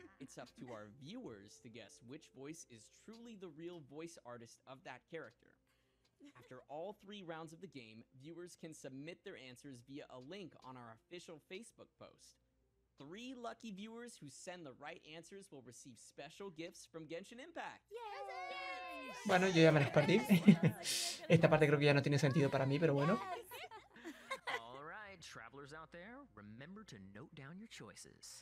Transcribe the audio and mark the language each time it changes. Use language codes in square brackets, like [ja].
[en] It's up to our viewers to guess which voice is truly the real voice artist of that character. After all 3 rounds of the game, viewers can submit their answers via a link on our official Facebook post. 3 lucky viewers who send the right answers will receive special gifts from Genshin Impact. Yes. [es] Bueno, yo ya me las perdí. Esta parte creo que ya no tiene sentido para mí, pero bueno. [en] All right, travelers out there, remember to note down your choices.